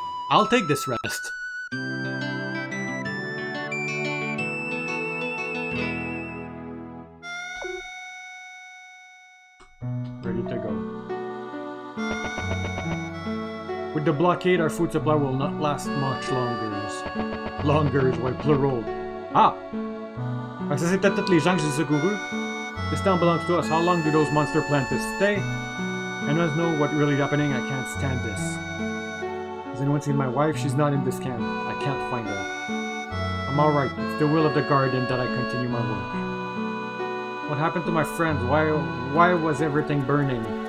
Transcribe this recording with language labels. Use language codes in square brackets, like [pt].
[en] I'll take this rest. Ready to go. With the blockade, our food supply will not last much longer. Longer is why plural. Ah! [fr] Ça, c'était toutes les gens que j'ai secourus. [en] This town belongs to us. How long do those monsters plan to stay? And let's know what's really happening. I can't stand this. Has anyone seen my wife? She's not in this camp. I can't find her. I'm alright. It's the will of the garden that I continue my work. What happened to my friends? Why was everything burning?